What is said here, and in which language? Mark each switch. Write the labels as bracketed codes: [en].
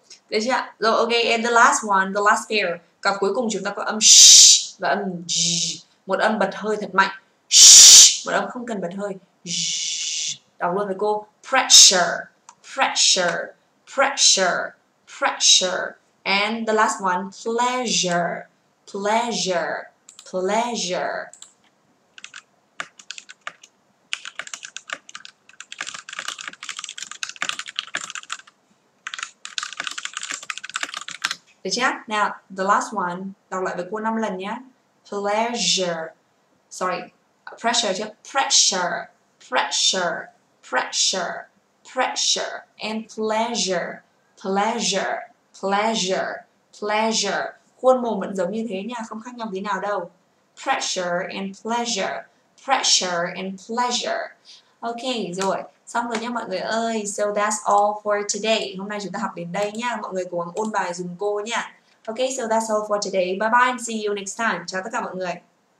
[vi] Được chưa? Rồi, [en] ok, and the last one, the last pair. [vi] Cặp cuối cùng chúng ta có âm sh và âm j, một âm bật hơi thật mạnh, một âm không cần bật hơi, đọc luôn với cô. [en] Pressure, pressure, pressure, pressure, and the last one, pleasure, pleasure, pleasure. [vi] Được chưa? [en] Now, the last one, [vi] đọc lại với cô 5 lần nhé. [en] Pleasure, sorry, pressure [vi] chứ? [en] Pressure, pressure, pressure, pressure, and pleasure, pleasure, pleasure, pleasure. [vi] Khuôn mồm vẫn giống như thế nha, không khác nhau tí nào đâu. [en] Pressure and pleasure, pressure and pleasure. [vi] Ok, rồi. Xong rồi nha mọi người ơi, [en] so that's all for today. [vi] Hôm nay chúng ta học đến đây nha, mọi người cố gắng ôn bài dùm cô nha. [en] Ok, so that's all for today. Bye bye and see you next time. [vi] Chào tất cả mọi người.